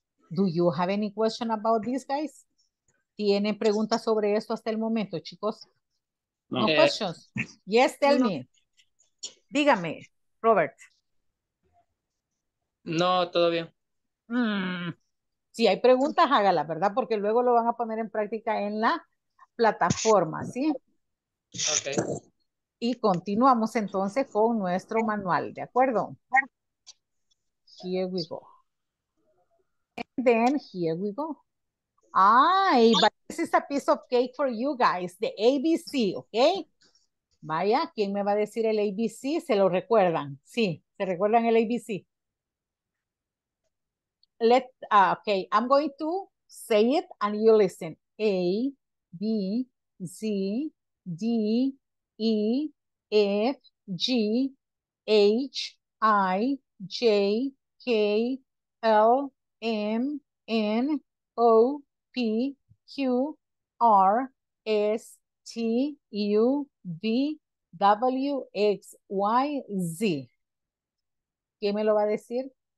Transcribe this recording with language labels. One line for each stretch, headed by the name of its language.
English: Do you have any question about this, guys?
Spanish: ¿Tienen preguntas sobre esto hasta el momento, chicos?
English: No, no questions. Yes, tell me.
Spanish: Dígame, Robert. No, todo bien. Si hay preguntas, hágalas, ¿verdad? Porque luego lo van a poner en práctica en la plataforma, ¿sí?
English: Okay.
Spanish: Y continuamos entonces con nuestro manual, ¿de acuerdo?
English: Here we go. And then here we go. Ay, but this is a piece of cake for you guys, the ABC, okay?
Spanish: Vaya, ¿quién me va a decir el ABC? ¿Se lo recuerdan? Sí, ¿se recuerdan el ABC?
English: Okay, I'm going to say it and you listen. A, B, C, D, E, F, G, H, I, J, K, L, M, N, O, P, Q, R, S, T, U, V, W, X, Y, Z.
Spanish: ¿Quién me lo va a decir?